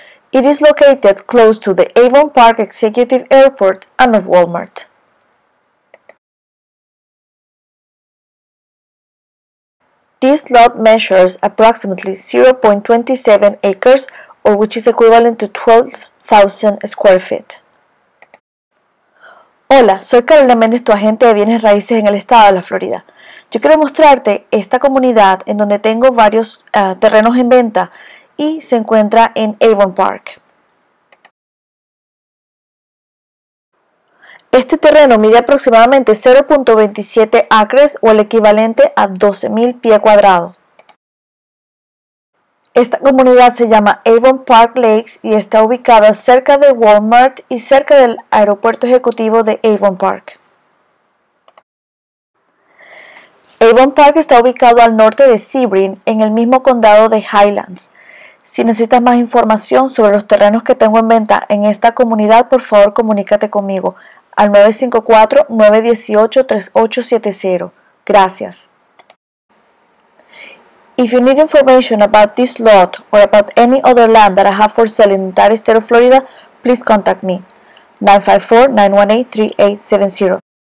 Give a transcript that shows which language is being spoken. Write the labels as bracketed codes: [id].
[en] It is located close to the Avon Park Executive Airport and of Walmart. This lot measures approximately 0.27 acres, or which is equivalent to 12,000 square feet. [es] Hola, soy Carolina Méndez, tu agente de bienes raíces en el estado de la Florida. Yo quiero mostrarte esta comunidad en donde tengo varios terrenos en venta y se encuentra en Avon Park. Este terreno mide aproximadamente 0.27 acres o el equivalente a 12.000 pies cuadrados. Esta comunidad se llama Avon Park Lakes y está ubicada cerca de Walmart y cerca del aeropuerto ejecutivo de Avon Park. Avon Park está ubicado al norte de Sebring, en el mismo condado de Highlands. Si necesitas más información sobre los terrenos que tengo en venta en esta comunidad, por favor comunícate conmigo al 954-918-3870. Gracias. [en] If you need information about this lot or about any other land that I have for sale in the entire state of Florida, please contact me, 954-918-3870.